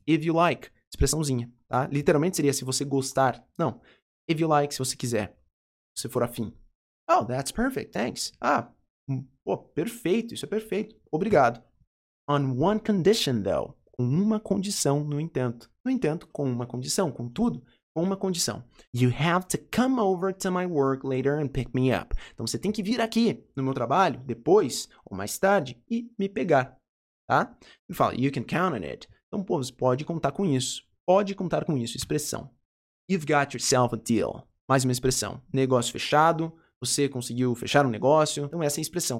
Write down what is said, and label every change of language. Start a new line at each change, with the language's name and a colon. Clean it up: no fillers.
English: If you like,
Portuguese: expressãozinha, tá? Literalmente seria se você gostar. Não.
English: If you like,
Portuguese: se você quiser. Se você for afim.
English: Oh, that's perfect, thanks.
Portuguese: Ah, pô, perfeito, isso é perfeito. Obrigado.
English: On one condition, though.
Portuguese: Com uma condição, no entanto. No entanto, com uma condição, contudo, com uma condição.
English: You have to come over to my work later and pick me up.
Portuguese: Então, você tem que vir aqui no meu trabalho, depois, ou mais tarde, e me pegar. Tá? Me fala,
English: you can count on it.
Portuguese: Então, pô, você pode contar com isso. Pode contar com isso, expressão.
English: You've got yourself a deal.
Portuguese: Mais uma expressão. Negócio fechado. Você conseguiu fechar um negócio. Então, essa é a expressão.